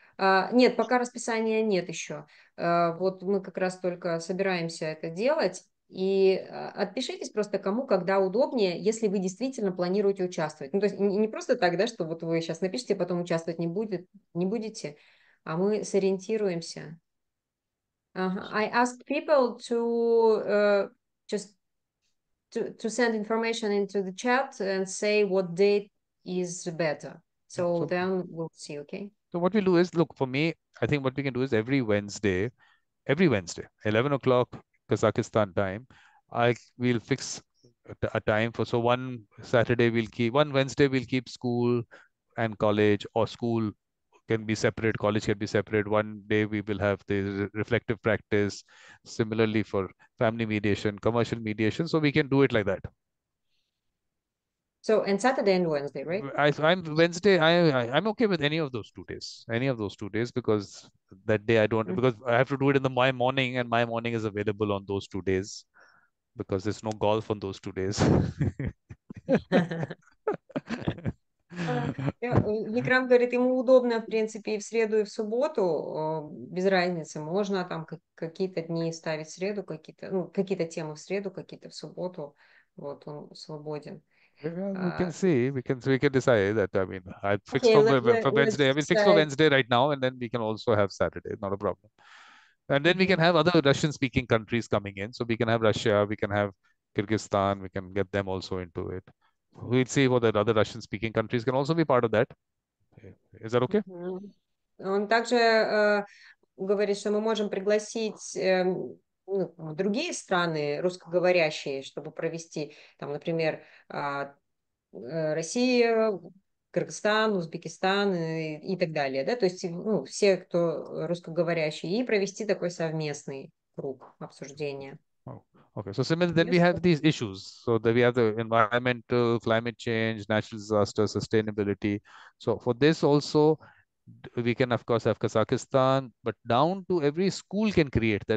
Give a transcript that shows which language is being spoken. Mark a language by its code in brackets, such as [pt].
[ru] Нет, пока расписания нет еще. Вот мы как раз только собираемся это делать. И отпишитесь просто кому, когда удобнее, если вы действительно планируете участвовать. Ну, то есть не просто так, да, что вот вы сейчас напишите, потом участвовать не будете, а мы сориентируемся. [en] I asked people to just to send information into the chat and say what date is better. Yeah, So then we'll see, okay? so what we'll do is, look, for me, I think what we can do is every Wednesday, 11 o'clock Kazakhstan time, we'll fix a time for, so one Saturday we'll keep, one Wednesday we'll keep school and college, or school can be separate, college can be separate. One day we will have the reflective practice. Similarly for family mediation, commercial mediation. So we can do it like that. So, and Saturday and Wednesday, right? I'm Wednesday. I'm okay with any of those 2 days. Any of those 2 days, because that day I don't, because I have to do it in the my morning, and my morning is available on those 2 days, because there's no golf on those 2 days. [ru] Викрам говорит, ему удобно, в принципе, и в среду, и в субботу, без разницы, можно там какие-то дни ставить в среду, какие-то темы в среду, какие-то в субботу, вот, он свободен. [en] We can see. We can decide that. I mean, I fix Okay, for Wednesday. I mean, let's fix for decide. Wednesday right now, and then we can also have Saturday. Not a problem. And then we can have other Russian-speaking countries coming in. So we can have Russia. We can have Kyrgyzstan. We can get them also into it. We'll see whether other Russian-speaking countries can also be part of that. Okay. Is that okay? [ru] Он также говорит, что мы можем пригласить другие страны русскоговорящие, чтобы провести, там, например, Россия, Кыргызстан, Узбекистан и так далее, да, то есть все, кто русскоговорящий, и провести такой совместный круг обсуждения. [en] Okay, so similarly, then we [ru] Интересно. [en] have these issues. So that we have the environmental, climate change, natural disaster, sustainability. So for this also, we can of course have Kazakhstan, but down to every school can create that.